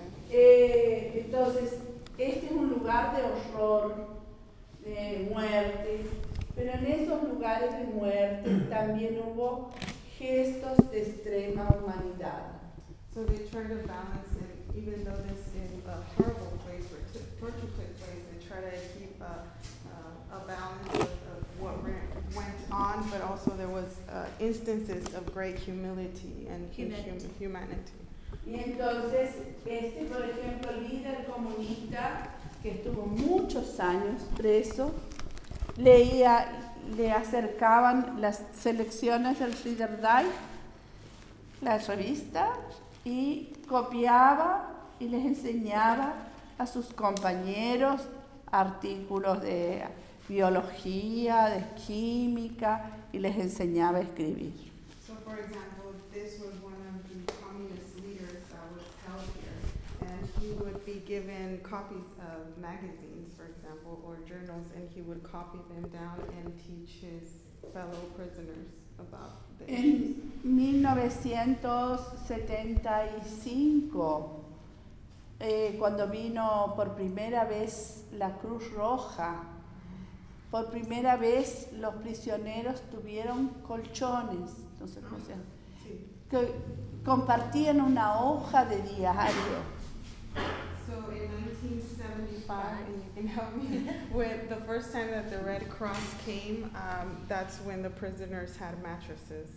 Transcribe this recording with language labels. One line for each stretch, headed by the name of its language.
Spanish: Entonces, este es un lugar de horror, de muerte, pero en esos lugares de muerte también hubo gestos de extrema humanidad.
English: So they try to balance it, even though this is a horrible place where torture took place, they try to keep a balance of what went on, but also there was instances of great humility and humanity.
Spanish: Y entonces, este, por ejemplo, líder comunista que estuvo muchos años preso, leía, le acercaban las selecciones del Read or Die, la revista, y copiaba y les enseñaba a sus compañeros artículos de biología, de química, y les enseñaba a escribir.
English: So for example, this was one of the communist leaders that was held here, and he would be given copies of magazines, for example, or journals, and he would copy them down and teach his fellow prisoners about this.
Spanish: En 1975, cuando vino por primera vez la Cruz Roja, por primera vez los prisioneros tuvieron colchones. Entonces, o sea, que compartían una hoja de diario.
English: So in 1975, when the first time that the Red Cross came, that's when the prisoners had mattresses.